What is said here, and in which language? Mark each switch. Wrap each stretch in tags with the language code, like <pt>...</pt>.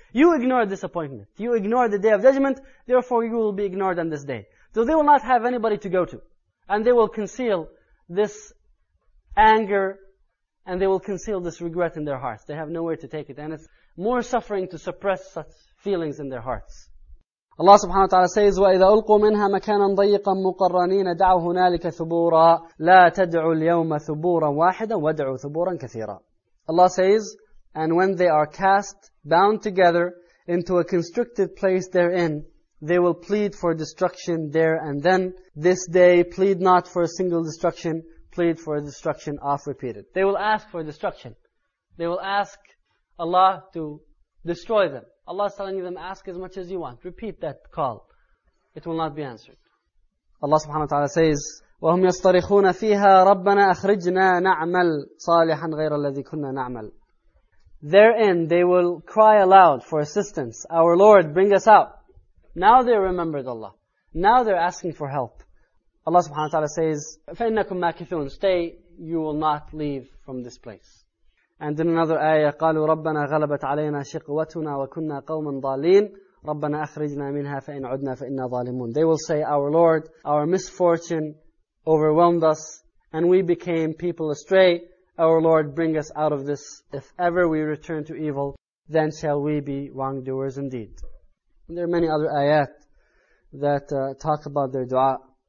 <en>You ignored this appointment. You ignored the Day of Judgment, therefore you will be ignored on this day. So they will not have anybody to go to. And they will conceal this anger and they will conceal this regret in their hearts. They have nowhere to take it. And it's more suffering to suppress such feelings in their hearts. Allah subhanahu wa ta'ala says,</en> <ar>وَإِذَا أُلْقُوا مِنْهَا مَكَانًا ضَيِّقًا مُقَرَّنِينَ دَعُوا هُنَالِكَ ثُبُورًا لَا تَدْعُوا الْيَوْمَ ثُبُورًا وَاحِدًا وَدْعُوا ثُبُورًا كَثِيرًا.</ar> <en>Allah says, and when they are cast, bound together into a constricted place therein, they will plead for destruction there and then. This day, plead not for a single destruction, plead for a destruction oft repeated. They will ask for destruction. They will ask Allah to destroy them. Allah is telling them, ask as much as you want. Repeat that call. It will not be answered. Allah subhanahu wa ta'ala says,</en> <ar>وَهُمْ يَصْطَرِخُونَ فِيهَا رَبَّنَا أَخْرِجْنَا نَعْمَلْ صَالِحًا غَيْرَ الَّذِي كُنَّا نَعْمَلْ.</ar> <en>Therein, they will cry aloud for assistance. Our Lord, bring us out. Now they remembered Allah. Now they're asking for help. Allah subhanahu wa ta'ala says,</en> <ar>فَإِنَّكُمْ مَاكِثُونَ.</ar> <en>Stay, you will not leave from this place. And in another ayah,</en> <ar>قَالُوا رَبَّنَا غَلَبَتْ عَلَيْنَا شِقْوَتُنَا وَكُنَّا قَوْمًا ضَالِينَ رَبَّنَا أَخْرِجْنَا مِنْهَا فَإِنْ عُدْنَا فَإِنَّا ظَالِمُونَ.</ar> <en>They will say, our Lord, our misfortune overwhelmed us and we became people astray. Our Lord, bring us out of this. If ever we return to evil, then shall we be wrongdoers indeed. And there are many other ayat that talk about their dua.</en>